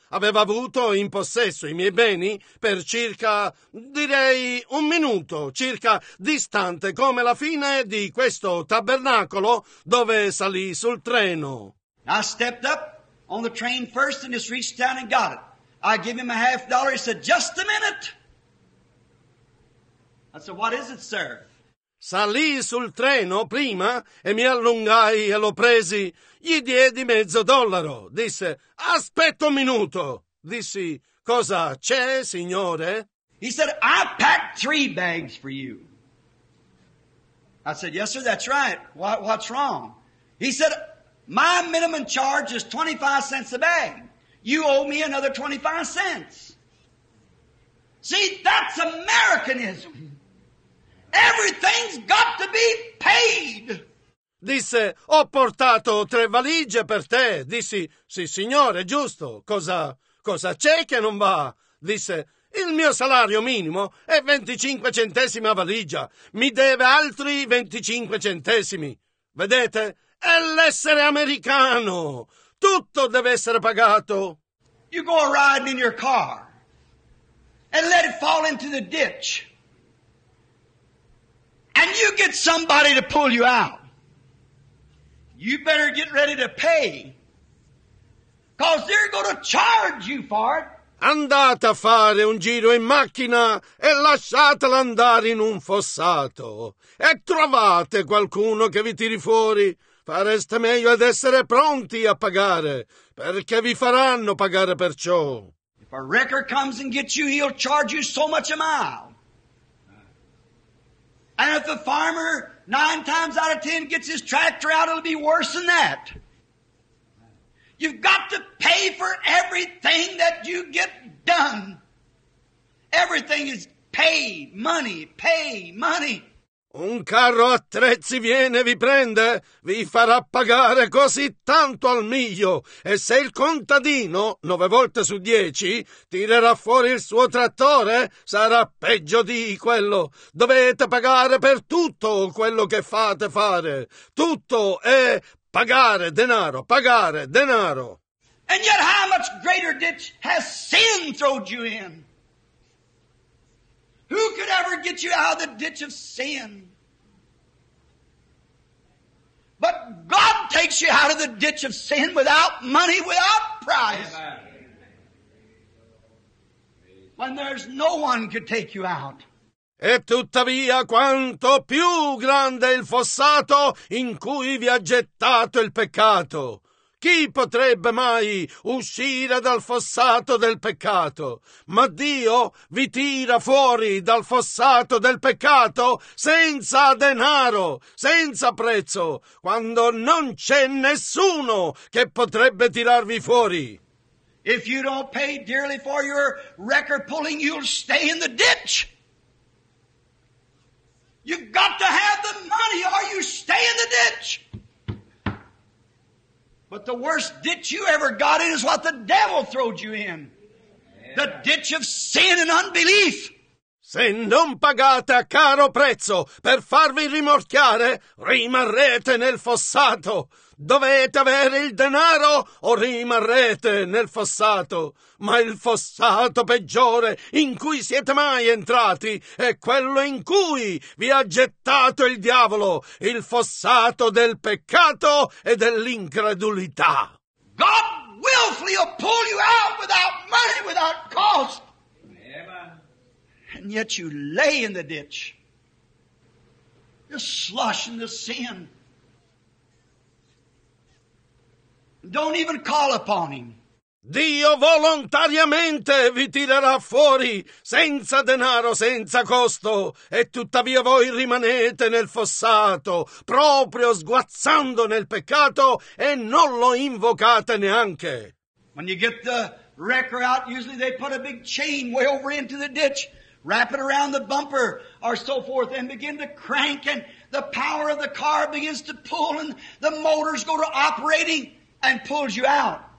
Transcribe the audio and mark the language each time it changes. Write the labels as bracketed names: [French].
[Italian] Aveva avuto in possesso i miei beni per circa, direi, un minuto, circa distante come la fine di questo tabernacolo dove salì sul treno. [English] I stepped up on the train first and just reached down and got it. I gave him a half dollar. He said, "Just a minute." I said, "What is it, sir?" [Italian] Salì sul treno prima e mi allungai e lo presi. Gli diedi mezzo dollaro. Disse, "Aspetta un minuto." Dissi, "Cosa c'è, signore?" [English] He said, "I packed 3 bags for you." I said, "Yes, sir, that's right. What's wrong?" He said, "My minimum charge is 25 cents a bag. You owe me another 25 cents. See, that's Americanism. Everything's got to be paid." [Italian] Disse, "Ho portato 3 valigie per te." Dissi, "Sì, signore, giusto. Cosa c'è che non va?" Disse, "Il mio salario minimo è 25 centesimi a valigia. Mi deve altri 25 centesimi. Vedete? È l'essere americano. Tutto deve essere pagato." [English] You go riding in your car and let it fall into the ditch. And you get somebody to pull you out. You better get ready to pay. 'cause they're gonna charge you for it. [Italian] Andate a fare un giro in macchina e lasciatela andare in un fossato. E trovate qualcuno che vi tiri fuori. Fareste meglio ad essere pronti a pagare, perché vi faranno pagare per ciò. [English] If a wrecker comes and gets you, he'll charge you so much a mile. And if the farmer, 9 times out of 10, gets his tractor out, it'll be worse than that. You've got to pay for everything that you get done. Everything is pay, money. [Italian] Un carro attrezzi viene e vi prende, vi farà pagare così tanto al miglio. E se il contadino, 9 volte su 10, tirerà fuori il suo trattore, sarà peggio di quello. Dovete pagare per tutto quello che fate fare. Tutto è pagare denaro, pagare denaro. [English] And yet how much greater ditch has sin thrown you in? Who could ever get you out of the ditch of sin? But God takes you out of the ditch of sin without money, without price. When there's no one could take you out. [Italian] E tuttavia quanto più grande il fossato in cui vi ha gettato il peccato. Chi potrebbe mai uscire dal fossato del peccato? Ma Dio vi tira fuori dal fossato del peccato senza denaro, senza prezzo, quando non c'è nessuno che potrebbe tirarvi fuori. [English] If you don't pay dearly for your record pulling, you'll stay in the ditch. You've got to have the money or you stay in the ditch. But the worst ditch you ever got in is what the devil throwed you in. The ditch of sin and unbelief. [Italian] Se non pagate a caro prezzo per farvi rimorchiare, rimarrete nel fossato. Dovete avere il denaro o rimarrete nel fossato. Ma il fossato peggiore in cui siete mai entrati è quello in cui vi ha gettato il diavolo, il fossato del peccato e dell'incredulità. [English] God willfully will pull you out without money, without cost. And yet you lay in the ditch, just sloshing the sin. Don't even call upon him. [Italian] Dio volontariamente vi tirerà fuori, senza denaro, senza costo, e tuttavia voi rimanete nel fossato, proprio sguazzando nel peccato, e non lo invocate neanche. [English] When you get the wrecker out, usually they put a big chain way over into the ditch, wrap it around the bumper or so forth, and begin to crank, and the power of the car begins to pull, and the motors go to operating and pulls you out.